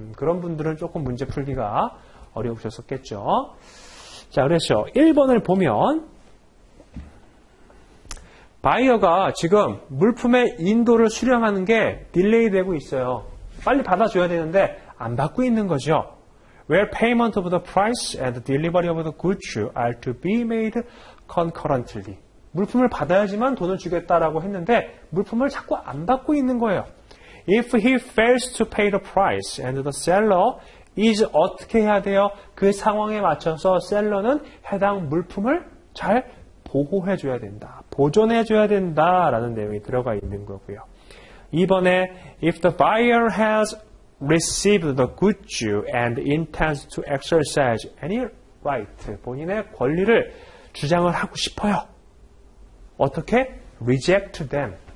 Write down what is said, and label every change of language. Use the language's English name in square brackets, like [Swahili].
[Korean] 그런 분들은 조금 문제 풀기가 어려우셨었겠죠. 자, 그래서 1번을 보면 바이어가 지금 물품의 인도를 수령하는 게 딜레이 되고 있어요. 빨리 받아줘야 되는데 안 받고 있는 거죠. [English] Where payment of the price and the delivery of the goods are to be made concurrently. [Korean] 물품을 받아야지만 돈을 주겠다라고 했는데 물품을 자꾸 안 받고 있는 거예요. [English] If he fails to pay the price and the seller is [Korean] 어떻게 해야 돼요? 그 상황에 맞춰서 셀러는 해당 물품을 잘 보호해줘야 된다. 보존해줘야 된다라는 내용이 들어가 있는 거고요. 2번에 [English] If the buyer has received the goods and intends to exercise any right, [Korean] 본인의 권리를 주장을 하고 싶어요. 어떻게? [English] Reject them.